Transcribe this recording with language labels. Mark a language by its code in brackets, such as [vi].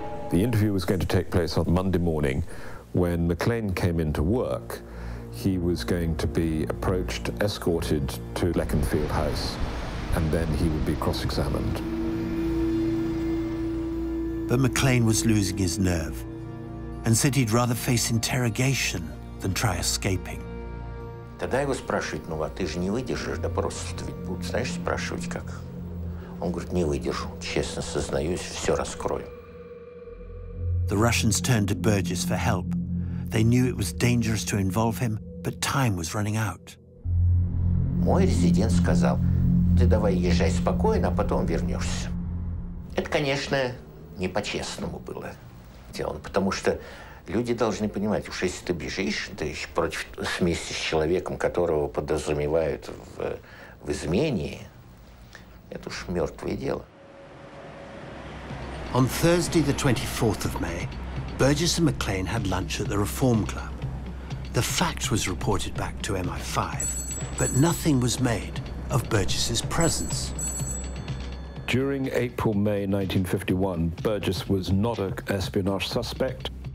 [en] The interview was going to take place on Monday morning. When Maclean came into work, he was going to be approached, escorted to Leconfield House, and then he would be cross-examined. But Maclean was losing his nerve and said he'd rather face interrogation than try escaping. [ru] Тогда его спрашивают, ну, а ты же не выдержишь допрос, ты ведь будешь, знаешь, спрашивать как? Он говорит, не выдержу, честно сознаюсь, все раскрою. [en] The Russians turned to Burgess for help. They knew it was dangerous to involve him, but time was running out. [ru] Мой резидент сказал, ты давай езжай спокойно, а потом вернешься. Это, конечно, не по-честному было сделано, потому что люди должны понимать, уж если ты бежишь, ты против вместе с человеком, которого подразумевают в измене, это уж мертвое дело. [en] On Thursday, the 24th of May, Burgess and Maclean had lunch at the Reform Club. The fact was reported back to MI5, but nothing was made of Burgess's presence. During April, May 1951, Burgess was not an espionage suspect.